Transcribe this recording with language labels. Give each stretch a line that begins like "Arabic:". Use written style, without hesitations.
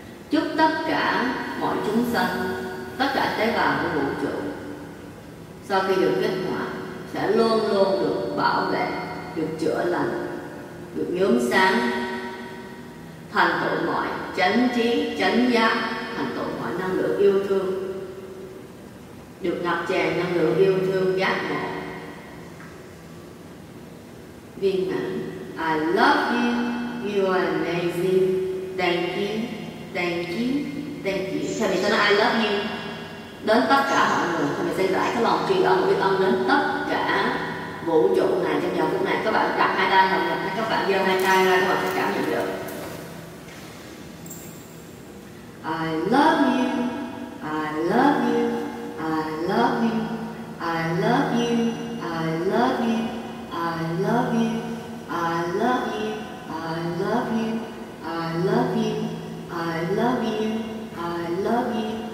Vietnamese: Chúc tất cả mọi chúng sinh, tất cả tế bào của vũ trụ sau khi được kích hoạt sẽ luôn luôn được bảo vệ, được chữa lành, được nhóm sáng, thành tựu mọi chánh trí, chánh giác, thành tựu mọi năng lượng yêu thương, được ngập tràn năng lượng yêu thương giác ngộ viên mãn.
English: I love you, you are amazing, thank you, thank you, thank you.
Vietnamese: Thầy mình sẽ nói
English: I love you
Vietnamese: đến tất cả mọi người. Thầy mình sẽ giải cái lòng tri ân biết ơn đến tất cả vũ trụ này trong giờ phút này. Các bạn đặt hai tay vào ngực, các bạn giơ hai tay ra, các bạn sẽ cảm nhận được.
English: I love you, I love you, I love you, I love you, I love you, I love you, I love you, I love you, I love you, I love you, I love you,